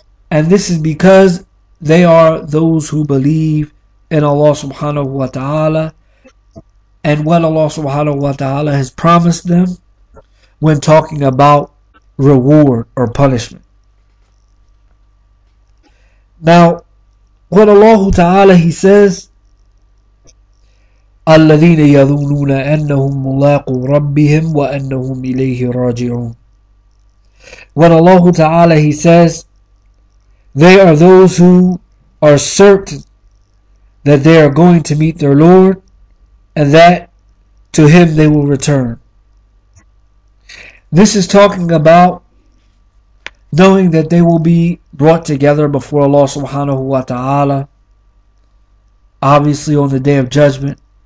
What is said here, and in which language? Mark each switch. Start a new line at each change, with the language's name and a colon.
English: And this is because they are those who believe in Allah subhanahu wa ta'ala and what Allah subhanahu wa ta'ala has promised them when talking about reward or punishment. Now, what Allah Ta'ala, He says,
Arabic: الَّذِينَ يَظُنُّونَ أَنَّهُمْ مُلَاقُوا رَبِّهِمْ وَأَنَّهُمْ إِلَيْهِ رَاجِعُونَ.
English: What Allah Ta'ala, He says, they are those who are certain that they are going to meet their Lord and that to Him they will return. This is talking about knowing that they will be brought together before Allah subhanahu wa ta'ala, obviously on the Day of Judgment.